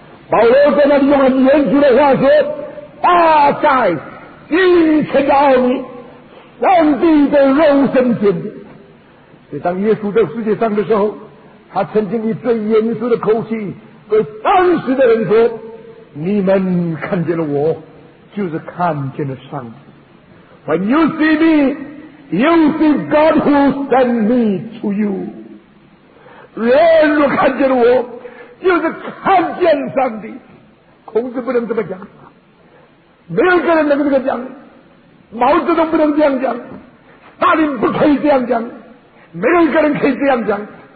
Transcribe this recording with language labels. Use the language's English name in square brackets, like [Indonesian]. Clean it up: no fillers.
[Chinese] 保罗在那里用很严肃的话说，大在金钱的奥秘，上帝的肉身显现。所以当耶稣在世界上的时候，他曾经以最严肃的口气对当时的人说，你们看见了我，就是看见了上帝。 [English] When you see me, you see God who sent me to you. [Chinese] 人若看见了我，就是看见上帝。孔子不能这么讲，没有一个人能这么讲，毛泽东不能这样讲，大林不可以这样讲，没有一个人可以这样讲。